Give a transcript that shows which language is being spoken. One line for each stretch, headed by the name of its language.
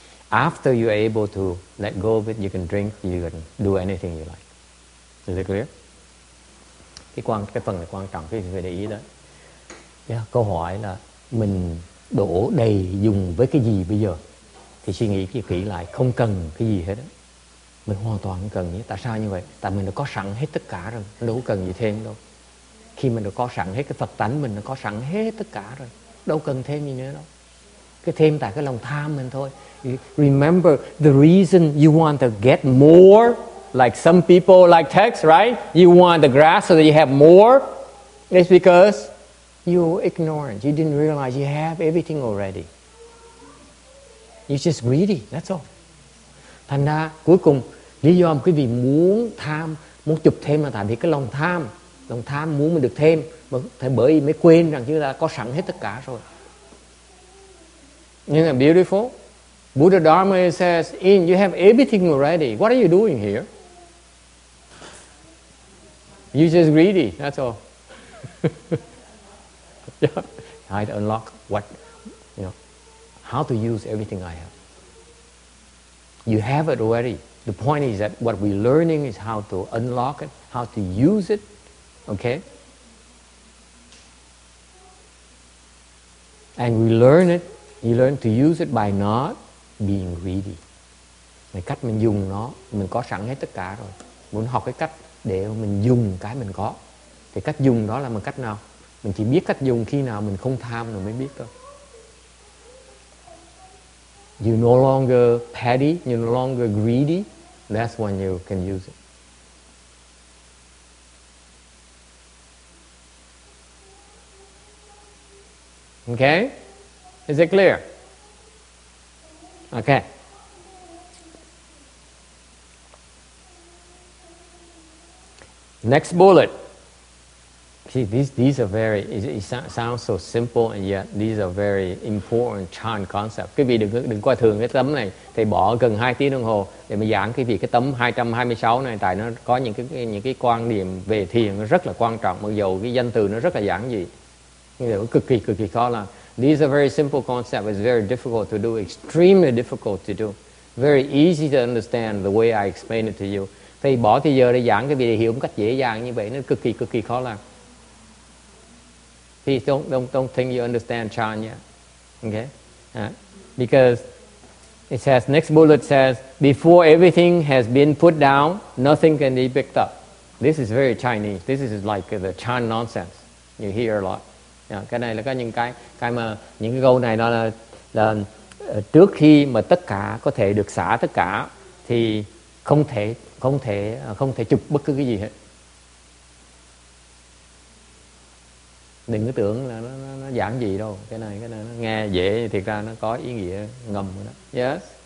English: After you are able to let go of it, you can drink, you can do anything you like. Is it clear?
Vietnamese: Cái phần này quan trọng, cái gì phải để ý đó. Yeah, câu hỏi là mình đổ đầy dùng với cái gì bây giờ? Thì suy nghĩ kỹ lại, không cần cái gì hết. Mình hoàn toàn không cần. Tại sao như vậy? Tại mình đã có sẵn hết tất cả rồi, đâu cần gì thêm đâu. Khi mình đã có sẵn hết cái Phật tánh, mình đã có sẵn hết tất cả rồi, đâu cần thêm gì nữa đâu. Cái thêm tại cái lòng tham mình thôi.
English: Remember, the reason you want to get more, like some people like text, right? You want the grass so that you have more, it's because you're ignorant. You didn't realize you have everything already. You're just greedy, that's all.
Vietnamese: Thành ra, cuối cùng, lý do mà quý vị muốn tham, muốn chụp thêm là tại vì cái lòng tham muốn mình được thêm, bởi vì mới quên rằng chúng ta có sẵn hết tất cả rồi.
English: Isn't that beautiful? Buddha Dharma says, "In you have everything already. What are you doing here? You're just greedy, that's all." Yeah. I'd unlock what, you know, how to use everything I have. You have it already. The point is that what we're learning is how to unlock it, how to use it, okay? And we learn it, you learn to use it by not being greedy.
Vietnamese: Cái cách mình dùng nó, mình có sẵn hết tất cả rồi. Muốn học cái cách để mình dùng cái mình có. Thì cách dùng đó là một cách nào? Mình chỉ biết cách dùng khi nào mình không tham rồi mới biết thôi.
English: You're no longer petty, you're no longer greedy. That's when you can use it. Okay? Is it clear? Okay. Next bullet. See, these are very, it sounds so simple, and yet these are very important chan concept.
Vietnamese: Quý vị đừng coi thường cái tấm này, thầy bỏ gần 2 tiếng đồng hồ để mà giảng cái việc cái tấm 226 này, tại nó có những cái quan điểm về thiền rất là quan trọng, mặc dù cái danh từ nó rất là giản dị. Nhưng mà cực kỳ khó là.
English: These are very simple concepts. It's very difficult to do, extremely difficult to do. Very easy to understand the way I explain it to you.
Vietnamese: Thầy bỏ thời giờ để giảng cái việc để hiểu một cách dễ dàng như vậy, nó cực kỳ khó làm.
English: Please don't think you understand Chan yet. Okay? Because it says, next bullet says, before everything has been put down, nothing can be picked up. This is very Chinese. This is like the Chan nonsense you hear a lot.
Vietnamese: Yeah, cái này là có những cái mà những cái câu này nó là trước khi mà tất cả có thể được xả tất cả thì không thể chụp bất cứ cái gì hết. Đừng có tưởng là nó giảng gì đâu, cái này nó nghe dễ, thiệt ra nó có ý nghĩa ngầm đó. Yes.